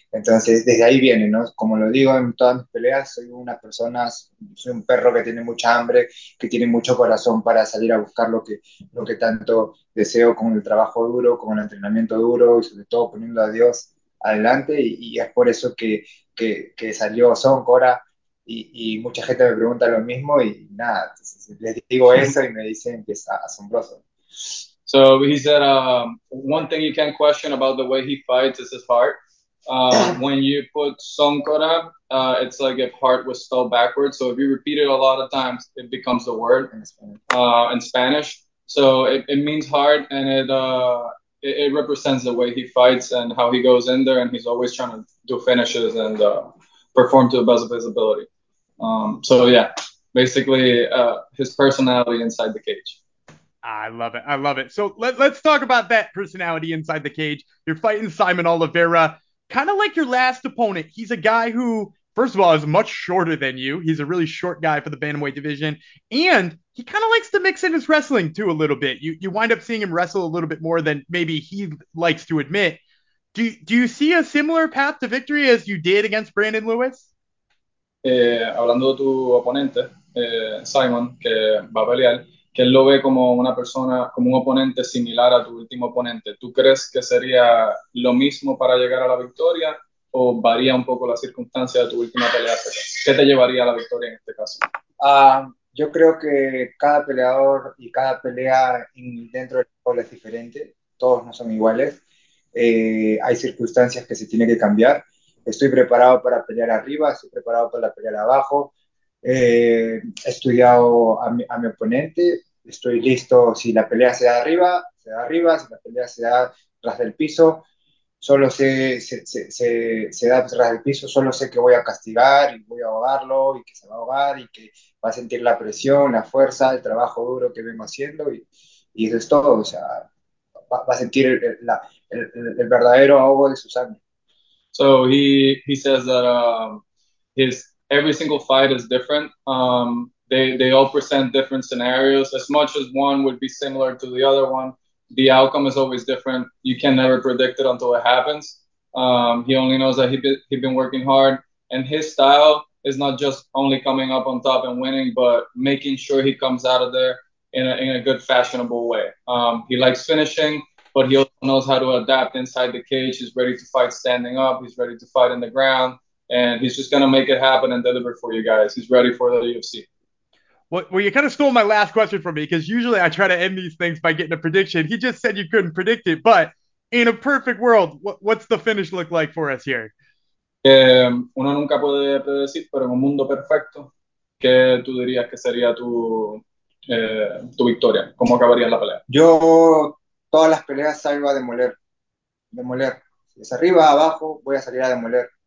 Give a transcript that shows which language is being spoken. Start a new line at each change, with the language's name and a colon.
Spanish: Entonces, desde ahí viene, ¿no? Como lo digo en todas mis peleas, soy una persona, soy un perro que tiene mucha hambre, que tiene mucho corazón para salir a buscar lo que tanto deseo con el trabajo duro, con el entrenamiento duro y sobre todo poniendo a Dios adelante. Y es por eso que salió Soncora y mucha gente me pregunta lo mismo y nada, entonces, les digo eso y me dicen que es asombroso.
English: So he said one thing you can't question about the way he fights is his heart. When you put Soncora, it's like if heart was spelled backwards. So if you repeat it a lot of times, it becomes a word in Spanish. So it means heart, and it represents the way he fights and how he goes in there, and he's always trying to do finishes and perform to the best of his ability. So yeah, basically his personality inside the cage. I love it. I love it. So let's talk about that personality inside the cage. You're fighting Simon Oliveira, kind of like your last opponent. He's a guy who, first of all, is much shorter than you. He's a really short guy for the bantamweight division. And he kind of likes to mix in his wrestling, too, a little bit. You wind up seeing him wrestle a little bit more than maybe he likes to admit. Do you see a similar path to victory as you did against Brandon Lewis?
Spanish: Hablando de tu oponente, Simon, que va a pelear, que él lo ve como una persona, como un oponente similar a tu último oponente. ¿Tú crees que sería lo mismo para llegar a la victoria o varía un poco la circunstancia de tu última pelea? ¿Qué te llevaría a la victoria en este caso? Yo creo que cada peleador y cada pelea dentro del pueblo es diferente. Todos no son iguales. Hay circunstancias que se tienen que cambiar. Estoy preparado para pelear arriba, estoy preparado para pelear abajo. He estudiado a mi oponente, estoy listo si la pelea se da arriba, si la pelea se da tras del piso, solo se da tras del piso, solo sé que voy a castigar y voy a ahogarlo y que se va a ahogar y que va a sentir la presión, la fuerza, el trabajo duro que vengo haciendo y eso es todo, o sea, va a sentir el verdadero ahogo de su sangre.
English: So he says that every single fight is different. They all present different scenarios. As much as one would be similar to the other one, the outcome is always different. You can never predict it until it happens. He only knows that he'd been working hard. And his style is not just only coming up on top and winning, but making sure he comes out of there in a good, fashionable way. He likes finishing, but he also knows how to adapt inside the cage. He's ready to fight standing up. He's ready to fight in the ground. And he's just going to make it happen and deliver for you guys. He's ready for the UFC. Well, you kind of stole my last question from me, because usually I try to end these things by getting a prediction. He just said you couldn't predict it. But in a perfect world, what's the finish look like for us here?
Spanish: Uno nunca puede predecir, pero en un mundo perfecto, ¿qué tú dirías que sería tu victoria? ¿Cómo acabarías la pelea? Yo todas las peleas salgo a demoler. Demoler. Si es arriba, abajo, voy a salir a demoler.